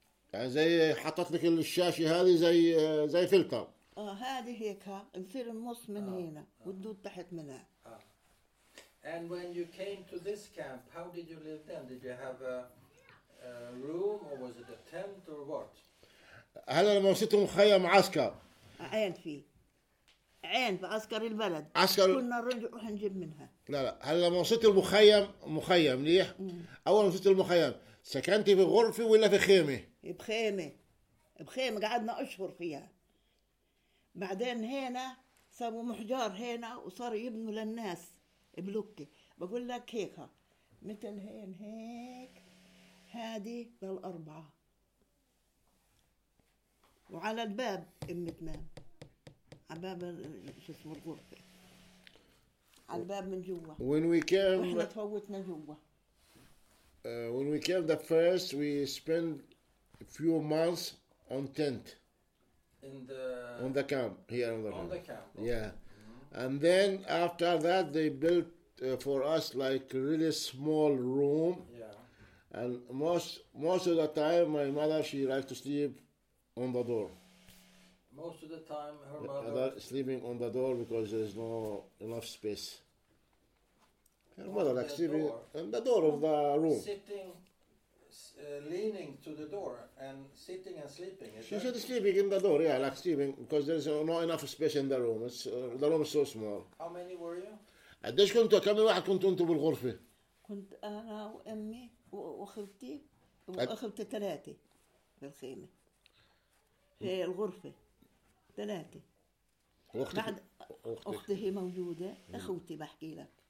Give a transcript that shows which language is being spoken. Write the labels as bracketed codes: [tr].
[en] And they [ar] حطت لك الشاشة هذه زي زي فلتر. هذه هيك ها نصير النص من هنا والدود تحت منها. [en] And when you came to this camp, how did you live then? Did you have a room or was it a tent or what? [ar] هلا لما وصلت مخيم عسكر. عين فيه عين بعسكر البلد. عسكر. كنا نروح نجيب منها. لا لا هلا لما وصلت المخيم مخيم ليه؟ أول ما وصلت المخيم سكنتي في غرفة ولا في خيمة؟ بخيمة بخيمة قعدنا أشهر فيها. بعدين هنا سووا محجار هنا وصار يبنوا للناس بلوكي بقول لك هيك مثل هين هيك هادي للأربعة وعلى الباب أم تمام على باب شو اسمه الغرفة على الباب من جوا [en] when we came [ar] وإحنا تفوتنا جوا [en] when we came the first we spent a few months on tent In the on the camp here on the camp yeah and then after that they built for us like really small room and most of the time my mother she likes to sleep on the door most of the time her mother sleeping on the door because there's no enough space her mother like sleeping on the door of the room sitting leaning to the door and sitting and sleeping. She said sleeping in the door, yeah, like sleeping, because there's not enough space in the room. It's the room is so small. How many were you? [ar] قديش كنتوا؟ كم واحد كنتوا انتوا بالغرفة؟ كنت أنا وأمي وأخوتي وأخوتي ثلاثة بالخيمة. في الغرفة ثلاثة. وأختي بعد أختي هي موجودة، أخوتي بحكي لك.